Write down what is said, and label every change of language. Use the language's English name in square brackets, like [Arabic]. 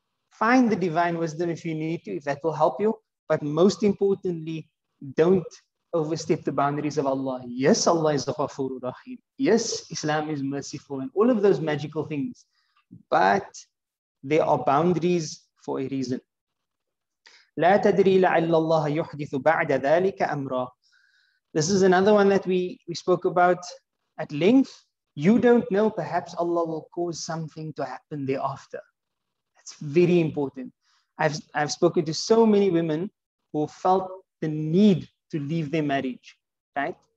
[English] Find the divine wisdom if you need to, if that will help you. But most importantly, don't overstep the boundaries of Allah. Yes, Allah is the Ghafoor Rahim. Yes, Islam is merciful and all of those magical things. But there are boundaries for a reason. [Arabic] لا تدري لعل الله يحدث بعد ذلك أمرا. [English] This is another one that we spoke about at length. You don't know, perhaps Allah will cause something to happen thereafter. That's very important. I've spoken to so many women who felt the need to leave their marriage, right?